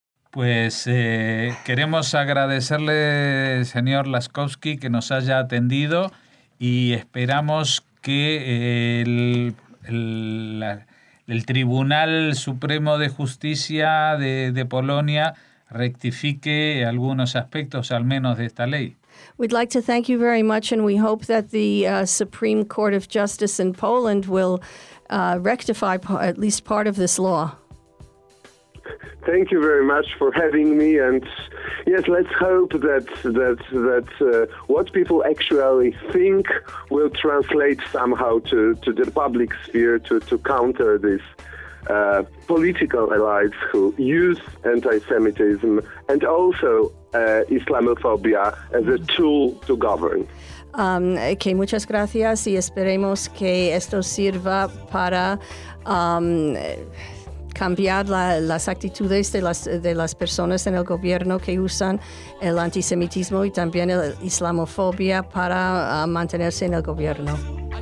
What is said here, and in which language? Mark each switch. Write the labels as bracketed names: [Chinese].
[Spanish] Pues queremos agradecerle, señor Laskowski, que nos haya atendido y esperamos que el Tribunal Supremo de Justicia de Polonia rectifique algunos aspectos, al menos, de esta ley. [English] We'd like to thank you very much, and we hope that the Supreme Court of Justice in Poland will rectify at least part of this law. Thank you very much for having me, and yes, let's hope that what people actually think will translate somehow to the public sphere to counter these political allies who use anti-Semitism and also Islamophobia as a tool to govern. [Spanish] Que muchas gracias y esperemos que esto sirva para cambiar las actitudes de las personas en el gobierno que usan el antisemitismo y también la islamofobia para mantenerse en el gobierno.